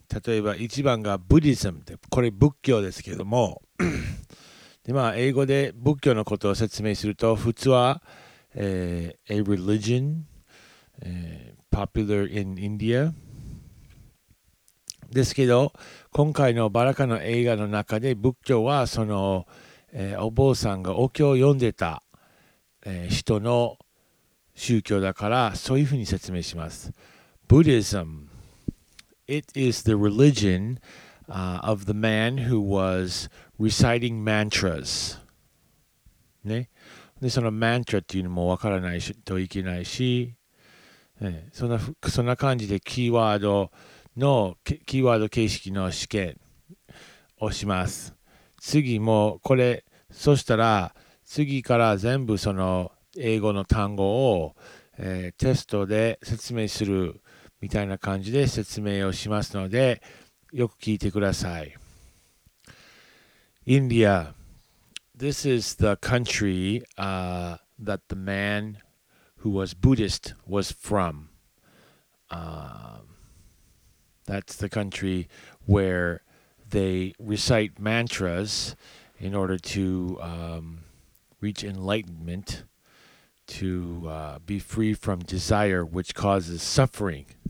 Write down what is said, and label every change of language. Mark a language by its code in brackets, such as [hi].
[ja] 例えば一番がブディズムって、これ仏教ですけども、でまあ英語で仏教のことを説明すると、普通は、 [en] A religion, popular in India。 [ja] ですけど、今回のバラカの映画の中で仏教はその、お坊さんがお経を読んでた。人の宗教だからそういうふうに説明します。 [en] Buddhism. It is the religion, of the man who was reciting mantras. [ja] ね。で、そのマントラっていうのもわからないしといけないし、ね、そんな感じでキーワード形式の試験をします。次もこれ、そしたら次から全部その英語の単語を、テストで説明するみたいな感じで説明をしますのでよく聞いてください。 [en] India. This is the country, that the man who was Buddhist was from. That's the country where they recite mantras in order to, reach enlightenment, to be free from desire which causes suffering.